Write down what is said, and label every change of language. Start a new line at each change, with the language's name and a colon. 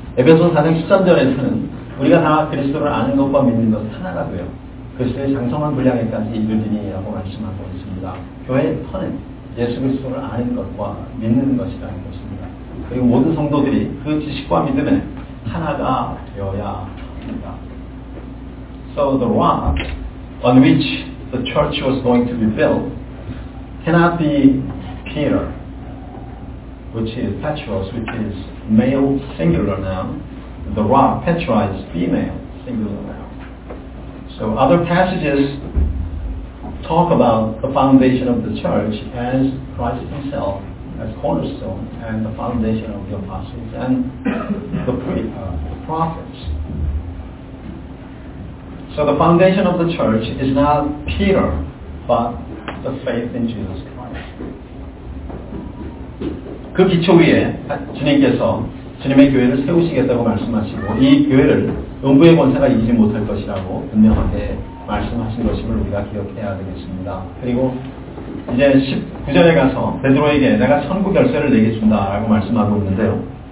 Korean: 에베소서 4장 13절에서는 우리가 다 그리스도를 아는 것과 믿는 것 하나가 되어 그리스도의 장성한 분량에까지 이르리니라고 말씀하고 있습니다. 교회의 터는 예수 그리스도를 아는 것과 믿는 것이라는 것입니다. 그리고 모든 성도들이 그 지식과 믿음에 하나가 되어야 합니다.
English: So the rock on which the church was going to be built cannot be Peter, which is Petros, which is male singular noun. The rock, Petra, is female singular noun. So other passages talk about the foundation of the church as Christ himself, as cornerstone, and the foundation of the apostles and the prophets. So the foundation of the church is not Peter, but the faith in Jesus Christ.
Korean: 그 기초 위에 주님께서 주님의 교회를 세우시겠다고 말씀하시고 이 교회를 음부의 권세가 이기지 못할 것이라고 분명하게 말씀하신 것임을 우리가 기억해야 되겠습니다. 그리고 이제 19절에 가서 베드로에게 내가 천국 열쇠를 내게 준다 라고 말씀하고 있는데요.